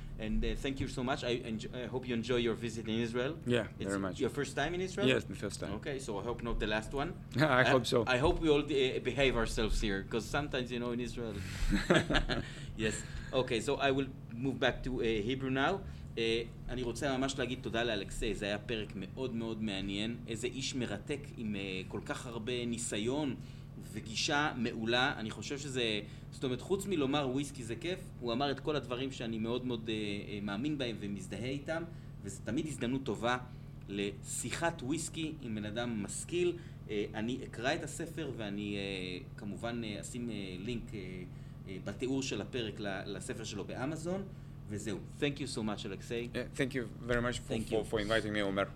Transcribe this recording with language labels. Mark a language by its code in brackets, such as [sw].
[en] And thank you so much. I hope you enjoy your visit in Israel. Yeah, it's very much. Your first time in Israel? Yes, the first time. Okay, so I hope not the last one. I hope so. I hope we all behave ourselves here, because sometimes, you know, in Israel. Yes. Okay, so I will move back to Hebrew now. [he] אני רוצה ממש להגיד תודה לאלכסי. זה היה פרק מאוד מאוד מעניין. איזה איש מרתק עם כל כך הרבה ניסיון וגישה מעולה. אני חושב שזה, זאת אומרת, חוץ מלומר וויסקי זה כיף, הוא אמר את כל הדברים שאני מאוד מאוד מאמין בהם ומזדהה איתם, וזה תמיד הזדמנות טובה לשיחת וויסקי עם בן אדם משכיל. אני אקרא את הספר ואני כמובן אשים לינק בתיאור של הפרק לספר שלו באמזון, וזהו. [en] Thank you so much, Alexei. Thank you very much for inviting me, Omer.